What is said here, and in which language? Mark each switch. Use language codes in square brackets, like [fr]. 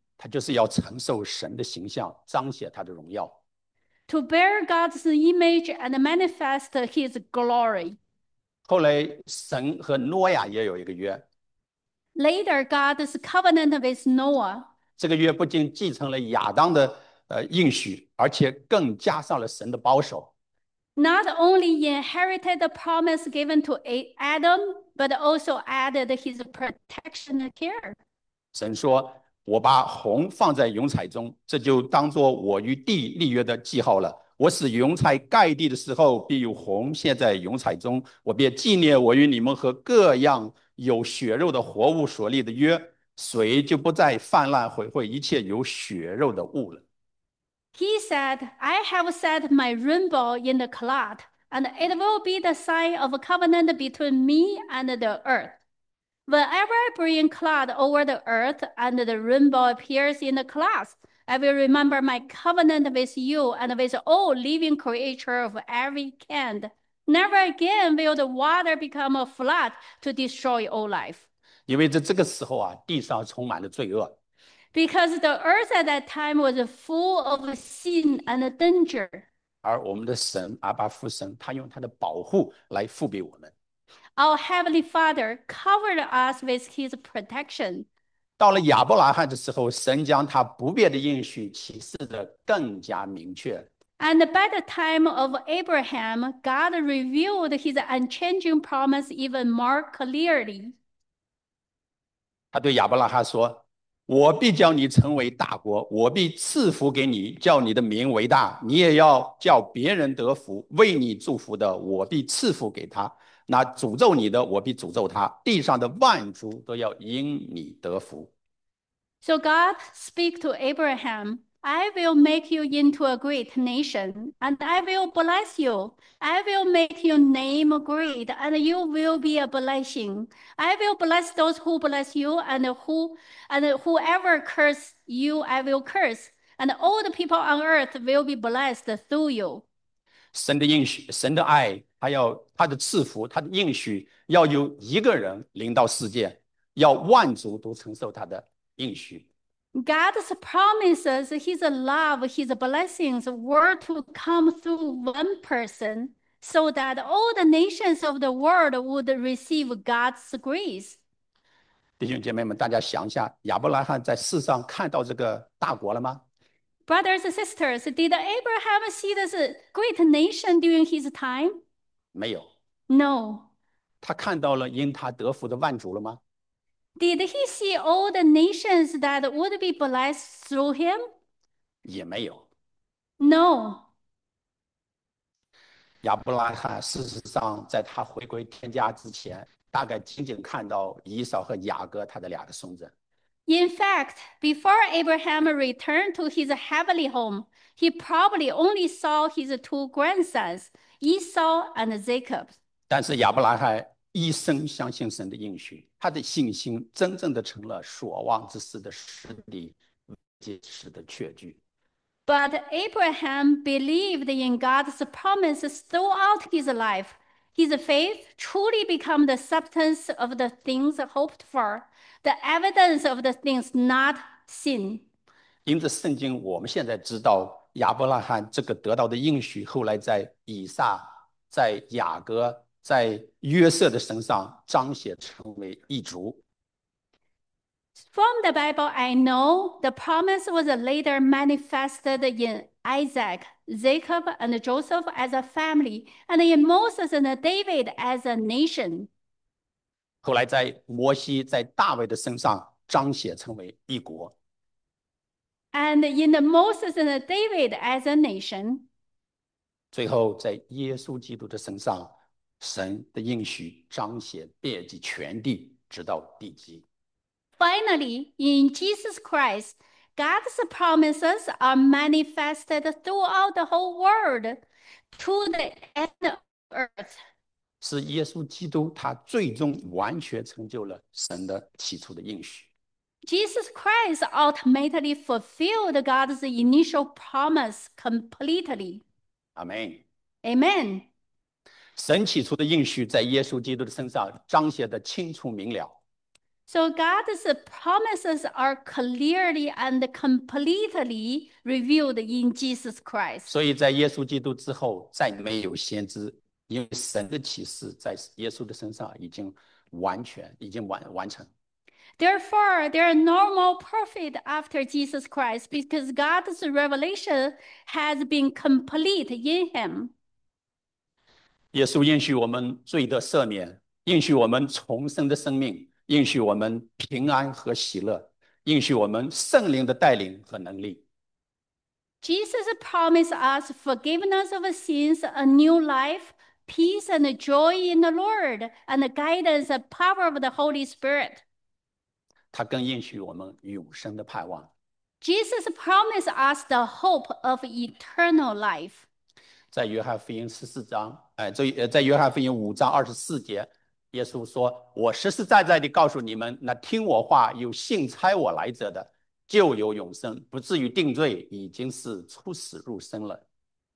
[zh] 他就是要承受神的形象，彰显他的荣耀。 [en] To bear God's image and manifest His glory. [zh] 后来，神和挪亚也有一个约。 [en] Later, God's covenant with Noah. [zh] 这个约不仅继承了亚当的应许，而且更加上了神的保守。 [en] Not only inherited the promise given to Adam, but also added His protection and care. [zh] 神说：“我把虹放在云彩中，这就当作我与地立约的记号了。我使云彩盖地的时候，必有虹现在云彩中，我便纪念我与你们和各样有血肉的活物所立的约。” 水就不再泛滥毁坏一切有血肉的物了。 [en] He said, "I have set my rainbow in the cloud, and it will be the sign of a covenant between me and the earth. Whenever I bring cloud over the earth and the rainbow appears in the clouds, I will remember my covenant with you and with all living creatures of every kind. Never again will the water become a flood to destroy all life." [zh] 因为在这个时候啊，地上充满了罪恶。 [en] Because the earth at that time was full of sin and danger. [zh] 而我们的神，阿爸父神，他用他的保护来覆庇我们。 [en] Our Heavenly Father covered us with His protection. [zh] 到了亚伯拉罕的时候，神将他不变的应许启示得更加明确。 [en] And by the time of Abraham, God revealed His unchanging promise even more clearly. [zh] 他对亚伯拉罕说：“我必叫你成为大国，我必赐福给你，叫你的名为大，你也要叫别人得福。为你祝福的，我必赐福给他；那诅咒你的，我必诅咒他。地上的万族都要因你得福。 [en] So God speak to Abraham, "I will make you into a great nation, and I will bless you. I will make your name great, and you will be a blessing. I will bless those who bless you, and whoever curse you, I will curse, and all the people on earth will be blessed through you." [zh] 神的应许，神的爱，还有他的赐福，他的应许要有一个人临到世界，要万族都承受他的应许。 [en] God's promises, His love, His blessings were to come through one person so that all the nations of the world would receive God's grace. [zh] 弟兄姐妹们，大家想一下，亚伯拉罕在世上看到这个大国了吗？ [en] Brothers and sisters, did Abraham see this great nation during his time? [zh] 没有。 [en] No. [zh] 他看到了因他得福的万族了吗？ [en] Did he see all the nations that would be blessed through him? [zh] 也没有。 [en] No. [zh] 亚伯拉罕事实上在他回归天家之前，大概仅仅看到以扫和雅各他的两个孙子。 [en] In fact, before Abraham returned to his heavenly home, he probably only saw his two grandsons, Esau and Jacob. [zh] 但是亚伯拉罕一生相信神的应许，他的信心真正的成了所望之事的实底，结实的确据。 [en] But Abraham believed in God's promises throughout his life. His faith truly became the substance of the things hoped for, the evidence of the things not seen. [zh] 因着圣经，我们现在知道亚伯拉罕这个得到的应许，后来在以撒、在雅各、在约瑟的身上彰显成为一族。 [en] From the Bible, I know the promise was later manifested in Isaac, Jacob, and Joseph as a family, and in Moses and David as a nation. [zh] 后来在摩西、在大卫的身上彰显成为一国。 [en] And in the Moses and David as a nation. [zh] 最后在耶稣基督的身上，神的应许彰显遍及全地，直到地极。 [en] Finally, in Jesus Christ, God's promises are manifested throughout the whole world, to the end of earth. [zh] 是耶稣基督，他最终完全成就了神的起初的应许。 [en] Jesus Christ ultimately fulfilled God's initial promise completely. Amen. Amen. [zh] 神起初的应许在耶稣基督的身上彰显得清楚明了。 [en] So God's promises are clearly and completely revealed in Jesus Christ. [zh] 所以在耶稣基督之后再没有先知，因为神的启示在耶稣的身上已经完全，已经 完成。 [en] Therefore, there are no more prophets after Jesus Christ because God's revelation has been complete in him. [zh] 耶稣应许我们罪得赦免，应许我们重生的生命，应许我们平安和喜乐，应许我们圣灵的带领和能力。 [en] Jesus promised us forgiveness of sins, a new life, peace and joy in the Lord, and the guidance and power of the Holy Spirit. [zh] 他更应许我们永生的盼望。 [en] Jesus promised us the hope of eternal life. [zh] 在约翰福音十四章，在约翰福音五章二十四节，耶稣说：“我实实在在地告诉你们，那听我话有信差我来者的，就有永生，不至于定罪，已经是出死入生了。”